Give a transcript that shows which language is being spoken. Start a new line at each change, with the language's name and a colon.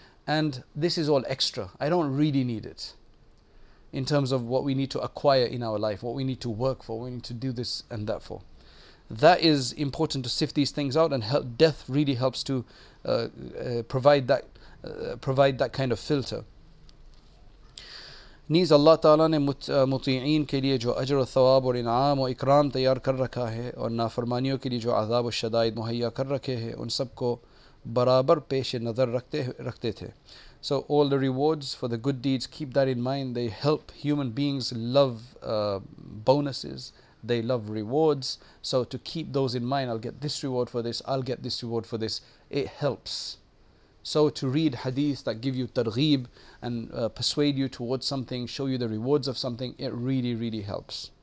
English: And this is all extra. I don't really need it in terms of what we need to acquire in our life, what we need to work for, what we need to do this and that for. That is important to sift these things out, and help, death really helps to provide that kind of filter.
Urdu: نیز اللہ تعالیٰ نے مطیعین کے لیے جو اجر و ثواب اور انعام و اکرام تیار کر رکھا ہے اور نافرمانیوں کے لیے جو عذاب و شدائد مہیا کر رکھے ہیں ان سب کو برابر پیش نظر رکھتے تھے.
English: So all the rewards for the good deeds, keep that in mind. They help human beings love bonuses. They love rewards. So to keep those in mind, I'll get this reward for this, I'll get this reward for this. It helps. So to read hadith that give you targhib and persuade you towards something, show you the rewards of something, it really, really helps.